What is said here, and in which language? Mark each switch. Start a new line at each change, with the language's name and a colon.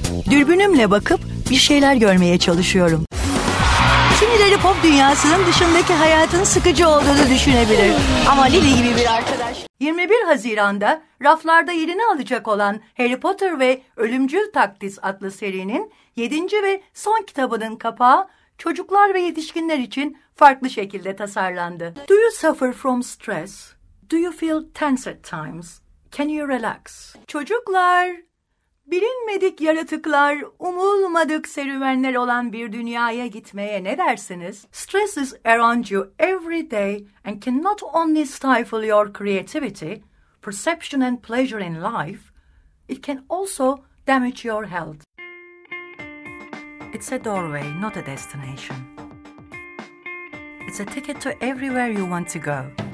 Turkish: Dürbünümle bakıp bir şeyler görmeye çalışıyorum. Kimileri pop dünyasının dışındaki hayatın sıkıcı olduğunu düşünebilir. Ama Lily gibi bir arkadaş. 21 Haziran'da raflarda yerini alacak olan Harry Potter ve Ölümcül Takdis adlı serinin 7. ve son kitabının kapağı çocuklar ve yetişkinler için farklı şekilde tasarlandı.
English: Do you suffer from stress? Do you feel tense at times? Can you relax?
Turkish: Çocuklar, bilinmedik yaratıklar, umulmadık serüvenler olan bir dünyaya gitmeye ne dersiniz?
English: Stress is around you every day and can not only stifle your creativity, perception and pleasure in life, it can also damage your health. It's a doorway, not a destination. It's a ticket to everywhere you want to go.